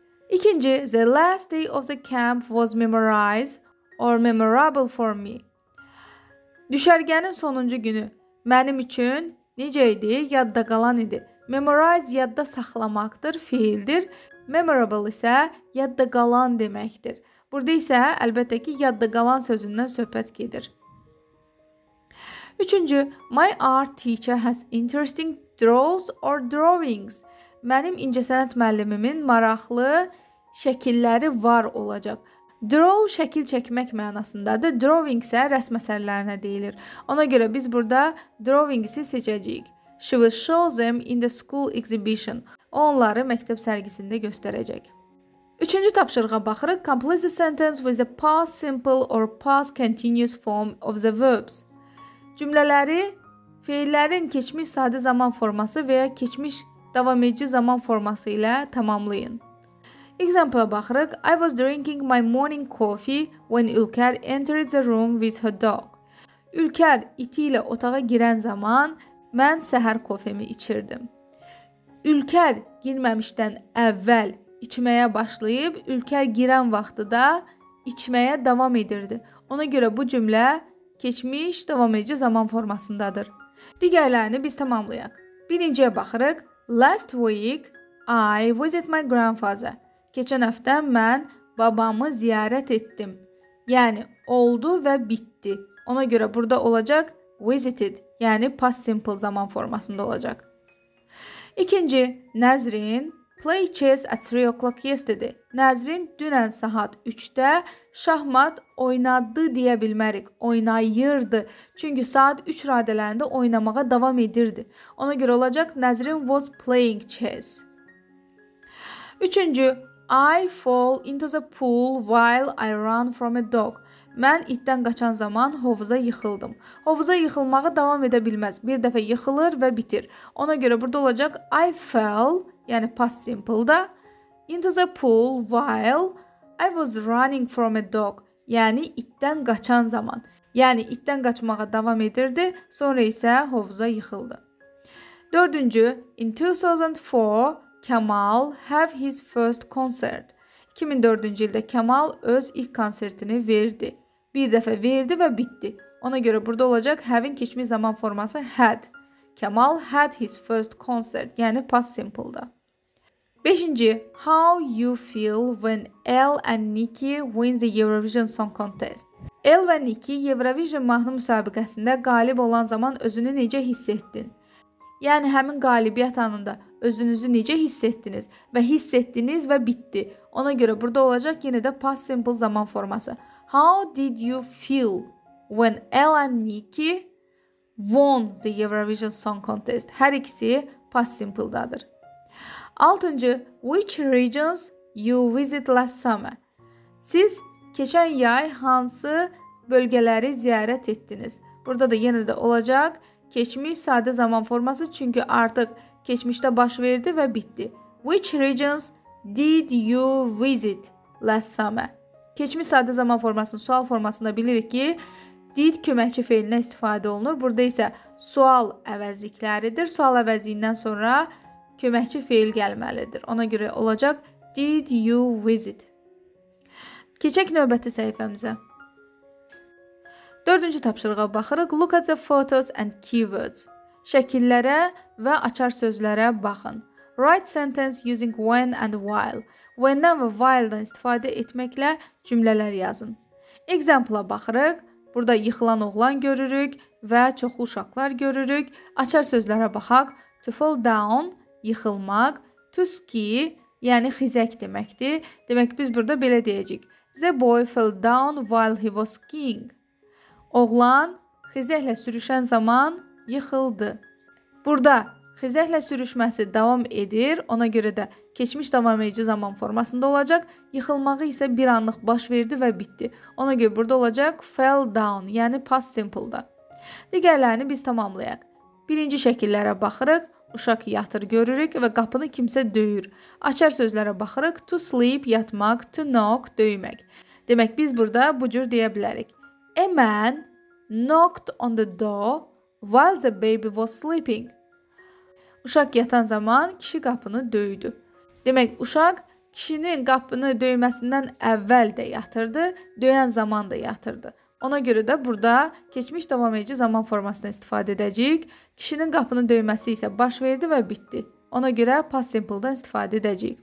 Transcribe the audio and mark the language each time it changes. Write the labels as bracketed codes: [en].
[en] İkinci, the last day of the camp was memorized or memorable for me. [az] Düşərgənin sonuncu günü mənim üçün Necə idi? Yadda qalan idi. Memorize yadda saxlamaqdır, fiildir. Memorable isə yadda qalan deməkdir. Burada isə əlbəttə ki, yadda qalan sözündən söhbət gedir. [en] Üçüncü, my art teacher has interesting draws or drawings. [az] Mənim incəsənət müəllimimin maraqlı şəkilləri var olacaq. Draw şəkil çəkmək mənasındadır. Drawing isə rəsm əsərlərinə deyilir. Ona görə biz burada drawings-i seçəcəyik. [en] She will show them in the school exhibition. [az] O, onları məktəb sərgisində göstərəcək. Üçüncü tapşırığa baxırıq. [en] Complete the sentence with the past simple or past continuous form of the verbs. [az] Cümlələri feillərin keçmiş sadə zaman forması və ya keçmiş davam edici zaman forması ilə tamamlayın. Example-a baxırıq. [en] I was drinking my morning coffee when Ülker entered the room with her dog. [az] Ülker iti ilə otağa girən zaman mən səhər kofemi içirdim. Ülker girməmişdən əvvəl içməyə başlayıb, Ülker girən vaxtı da içməyə davam edirdi. Ona görə bu cümlə keçmiş davam edici zaman formasındadır. Digərlərini biz tamamlayaq. Birinciyə baxırıq. [en] Last week I visited my grandfather. [az] Keçən həftə mən babamı ziyarət etdim. Yəni, oldu və bitdi. Ona görə burada olacaq visited, yəni past simple zaman formasında olacaq. [en] İkinci, Nəzrin play chess at 3 o'clock yesterday. [az] Nəzrin dünən saat 3-də şahmat oynadı deyə bilmərik. Oynayırdı. Çünki saat 3 radələrində oynamağa davam edirdi. Ona görə olacaq Nəzrin [en] was playing chess. Üçüncü, I fall into the pool while I run from a dog. [az] Mən itdən qaçan zaman hovuza yıxıldım. Hovuza yıxılmağı davam edə bilməz. Bir dəfə yıxılır və bitir. Ona görə burada olacaq [en] I fell, yəni past simple-da, into the pool while I was running from a dog. [az] Yəni itdən qaçan zaman. Yəni itdən qaçmağa davam edirdi, sonra isə hovuza yıxıldı. [en] Dördüncü, in 2004 Kemal have his first concert. [az] 2004-cü ildə Kemal öz ilk konsertini verdi. Bir dəfə verdi və bitdi. Ona görə burada olacaq have-in keçmiş zaman forması had. [en] Kemal had his first concert. [az] Yəni past simple-da. [en] 5-ci. How you feel when Elle and Nicki win the Eurovision Song Contest? [az] Elle və Nicki Eurovision mahnı müsabiqəsində qalib olan zaman özünü necə hiss etdin? Yəni həmin qalibiyyət anında özünüzü necə hiss etdiniz və hiss etdiniz və bitdi. Ona görə burada olacaq yenə də past simple zaman forması. [en] How did you feel when Elle and Nicki won the Eurovision Song Contest? [az] Hər ikisi past simple-dadır. [en] 6-cı, which regions you visit last summer? [az] Siz keçən yay hansı bölgələri ziyarət etdiniz? Burada da yenə də olacaq keçmiş sadə zaman forması, çünki artıq keçmişdə baş verdi və bitdi. [en] Which regions did you visit last summer? [az] Keçmiş sadə zaman formasının sual formasında bilirik ki, did köməkçi feilinə istifadə olunur. Burada isə sual əvəzlikləridir. Sual əvəzliyindən sonra köməkçi feil gəlməlidir. Ona görə olacaq [en] did you visit. [az] Keçək növbəti səhifəmizə. Dördüncü tapşırığa baxırıq. [en] Look at the photos and keywords. [az] Şəkillərə və açar sözlərə baxın. [en] Write sentence using when and while. [az] When-dən və while-dən istifadə etməklə cümlələr yazın. Example-a baxırıq. Burada yıxılan oğlan görürük və çoxlu uşaqlar görürük. Açar sözlərə baxaq. [en] To fall down, [az] yıxılmaq. [en] To ski, [az] yəni xizək deməkdir. Demək biz burada belə deyəcəyik. [en] The boy fell down while he was skiing. [az] Oğlan xizəklə sürüşən zaman yıxıldı. Burada xizəklə sürüşməsi davam edir. Ona görə də keçmiş davam edici zaman formasında olacaq. Yıxılmağı isə bir anlıq baş verdi və bitdi. Ona görə burada olacaq [en] fell down, [az] yəni past simple-da. Digərlərini biz tamamlayaq. Birinci şəkillərə baxırıq. Uşaq yatır görürük və qapını kimsə döyür. Açar sözlərə baxırıq. [en] To sleep, [az] yatmaq. [en] To knock, [az] döymək. Demək biz burada bu cür deyə bilərik. [en] A man knocked on the door while the baby was sleeping. [az] Uşaq yatan zaman kişi qapını döydü. Demək, uşaq kişinin qapını döyməsindən əvvəl də yatırdı, döyən zaman da yatırdı. Ona görə də burada keçmiş davamlayıcı zaman formasını istifadə edəcəyik. Kişinin qapının döyməsi isə baş verdi və bitdi. Ona görə past simple-dan istifadə edəcəyik.